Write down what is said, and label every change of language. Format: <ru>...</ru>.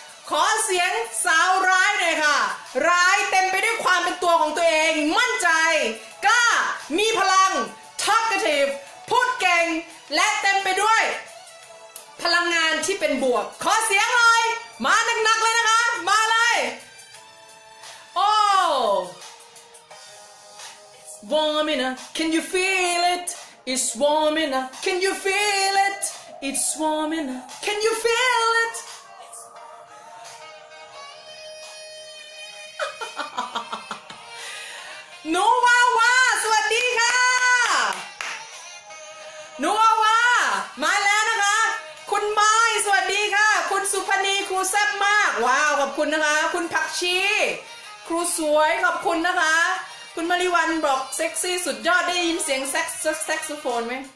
<th>ขอเสียงสาวร้ายหน่อยค่ะร้ายเต็มไปด้วยความเป็นตัวของตัวเองมั่นใจกล้ามีพลัง talkative พูดเก่งและเต็มไปด้วยพลังงานที่เป็นบวกขอเสียงเลยมาหนักๆเลยนะคะมาเลย</th> <en>Oh It's warm enough Can you feel it? It's warm enough Can you feel it? It's warm enough Can you feel it</en> <th>หนูวาวาสวัสดีค่ะหนูวาวามาแล้วนะคะคุณไม้สวัสดีค่ะคุณสุพนีครูแซ่บมากว้าวขอบคุณนะคะคุณผักชีครูสวยขอบคุณนะคะคุณมาริวันบอกเซ็กซี่สุดยอดได้ยินเสียงแซ็กโซโฟนไหม</th>